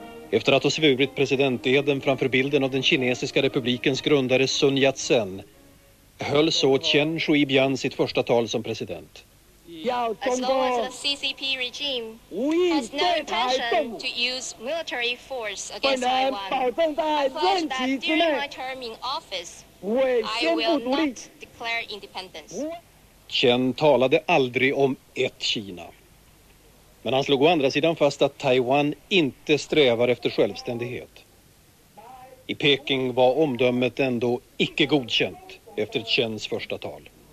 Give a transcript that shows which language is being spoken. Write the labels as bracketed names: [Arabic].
[Swedish] Efter att ha svurit presidenteden framför bilden av den kinesiska republikens grundare Sun Yat-sen, höll så Chen Shui-bian sitt första tal som president. [English] As long as the CCP regime has no intention to use military force against Taiwan, I pledge that during my term in office, I will not declare independence. [Swedish] Chen talade aldrig om ett Kina. Men han slog å andra sidan fast att Taiwan inte strävar efter självständighet. I Peking var omdömet ändå icke godkänt efter Chens första tal.